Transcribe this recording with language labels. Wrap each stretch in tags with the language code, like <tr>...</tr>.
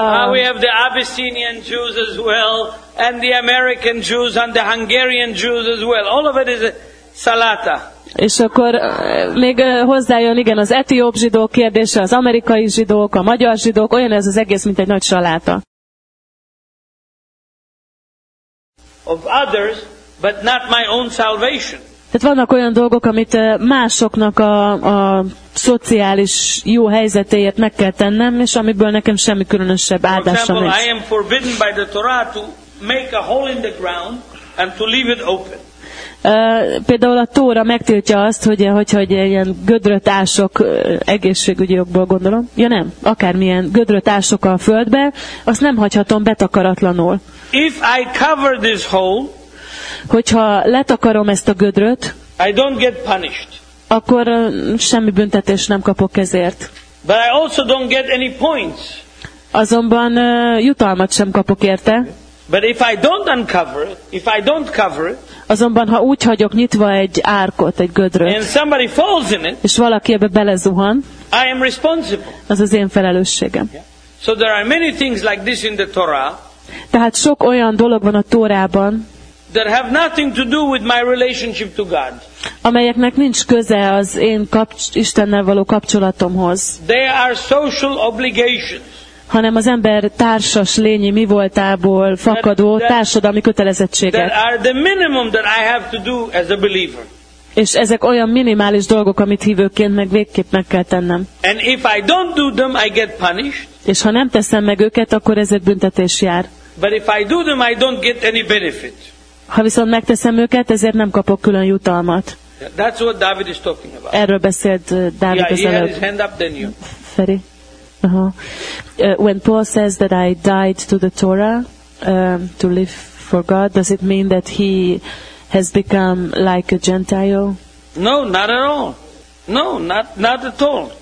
<en>We have the Abyssinian Jews as well, and the American Jews, and the Hungarian Jews as well. All of it is a salata.</en> <hu>És akkor még hozzájön, igen, az etióp zsidók kérdése, az amerikai zsidók, a magyar zsidók, olyan ez az egész, mint egy nagy saláta.</hu> <en>of others, but not my own salvation.</en> <hu>Tehát vannak olyan dolgok, amit másoknak a szociális jó helyzetéért meg kell tennem, és amiből nekem semmi különösebb áldásom nincs.</hu> <en>I am forbidden by the Torah to make a hole in the ground and to leave it open.</en> <hu>Például a Tóra megtiltja azt, hogy ilyen gödröt ások, egészségügyi jogból gondolom, ja nem, akármilyen gödröt ások a földbe, azt nem hagyhatom betakaratlanul.</hu> <en>If I cover this hole,</en> <hu>hogyha letakarom ezt a gödröt,</hu> <en>I don't get punished.</en> <hu>Akkor semmi büntetés nem kapok ezért.</hu> <en>But I also don't get any points.</en> <hu>Azonban jutalmat sem kapok érte.</hu> <en>But if I don't uncover it, if I don't cover it,</en> <hu>azonban ha úgy hagyok nyitva egy árkot, egy gödröt,</hu> <en>and somebody falls in it,</en> <hu>és valaki ebbe belezuhan,</hu> <en>I am responsible.</en> <hu>Az az én felelősségem.</hu> <en>Yeah. So there are many things like this in the Torah.</en> <hu>Tehát sok olyan dolog van a Tórában,</hu> <en>that have nothing to do with my relationship to God.</en> <hu>Amelyeknek nincs köze az én Istennel való kapcsolatomhoz.</hu> <en>They are social obligations.</en> <hu>Hanem az ember társas lényi mi voltából fakadó társadalmi kötelezettségek.</hu> <en>That are the minimum that I have to do as a believer.</en> <hu>És ezek olyan minimális dolgok, amit hívőként meg végképp meg kell tennem.</hu> <en>And if I don't do them, I get punished.</en> <hu>És ha nem teszem meg őket, akkor ezért büntetés jár.</hu> <en>But if I do them, I don't get any benefit.</en> <hu>Ha viszont megteszem őket, ezért nem kapok külön jutalmat.</hu> <en>That's what David is talking about.</en> <hu>Erről beszélt Dávid az előbb.</hu> <en>Yeah, he had his hand up, then you.</en> <hu>Feri. Uh-huh.</hu> <en>When Paul says that I died to the Torah to live for God, does it mean that he has become like a Gentile? No, not at all. No, not at all.</en>